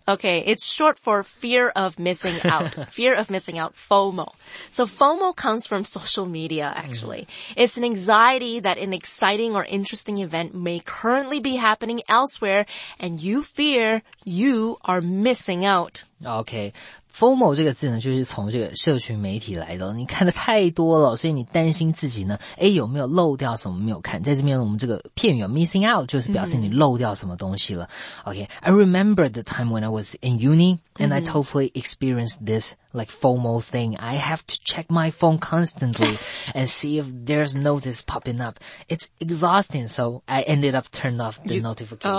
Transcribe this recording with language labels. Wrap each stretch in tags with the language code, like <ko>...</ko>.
<en>Okay, it's short for fear of missing out. Fear of missing out, FOMO. So FOMO comes from social media, actually. It's an anxiety that an exciting or interesting event may currently be happening elsewhere, and you fear you are missing out.</en> <zh>Okay. FOMO 这个字呢，就是从这个社群媒体来的。你看的太多了，所以你担心自己呢，哎，有没有漏掉什么没有看？在这边我们这个片语 missing out 就是表示你漏掉什么东西了。</zh> <en>Okay, I remember the time when I was in uni and I totally experienced this. Like FOMO thing, I have to check my phone constantly and see if there's notice popping up. It's exhausting, so I ended up turning off the notification.</en>